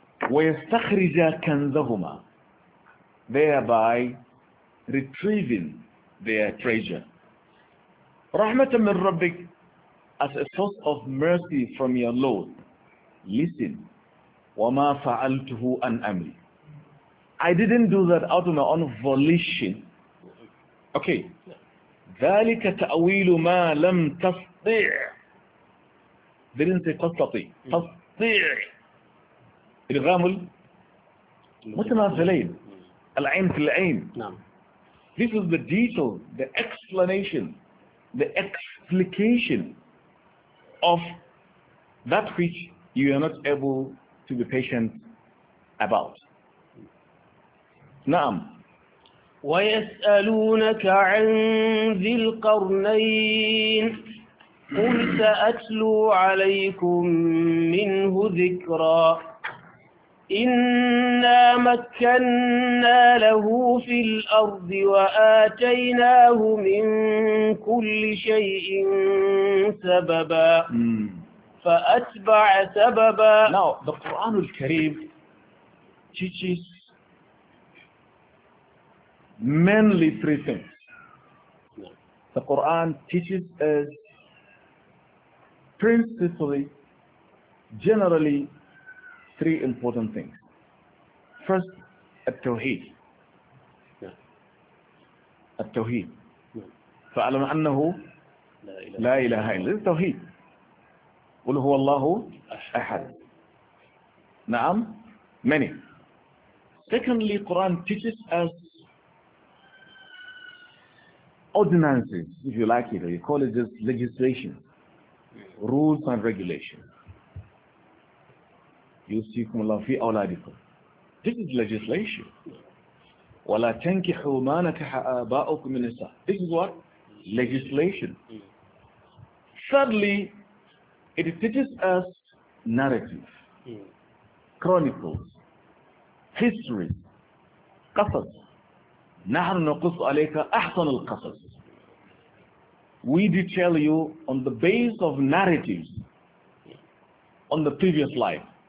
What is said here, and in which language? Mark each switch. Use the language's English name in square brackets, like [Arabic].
[Arabic] وَيَسْتَخْرِجَا كَنْزَهُمَا [English] thereby retrieving their treasure. [Arabic] رَحْمَةً مِنْ رَبِّكَ [English] as a source of mercy from your Lord. Listen. [Arabic] وَمَا فَعَلْتُهُ أَنْ أَمْرِي [English] I didn't do that out of my own volition. Okay. [Arabic] ذلك تأويل ما لم تستطيع They didn't say تستطيع تستطيع إلغام المتماثلين العين في العين نعم [English] This is the detail, the explanation, the explication of that which you are not able to be patient about. [Arabic] نعم ويسألونك عن ذي القرنين قل سأتلو عليكم منه ذكرا إنا مكنا له في الأرض وآتيناه من كل شيء سببا فأتبع سببا [English] Now the Quran al-Karim teaches mainly three things. The Quran teaches us principally, generally, three important things. First, at-tawheed. [Arabic] At-tawheed. فَعَلَمْ أَنَّهُ لا إله إلا الله التوحيد. قل هو الله أحد. نعم. [English] Many. Secondly, Quran teaches us ordinances, if you like it, you call it just legislation, rules and regulations. [Arabic] يوصيكم الله في أولادكم. [English] This is legislation. [Arabic] ولا تنكحوا ما نكح آباؤكم من النساء. [English] This is what? Legislation. Thirdly, it teaches us narrative, chronicles, history, قصص. [Arabic] نحن نقص عليك أحسن القصص. [English] We detail you on the base of narratives on the previous life.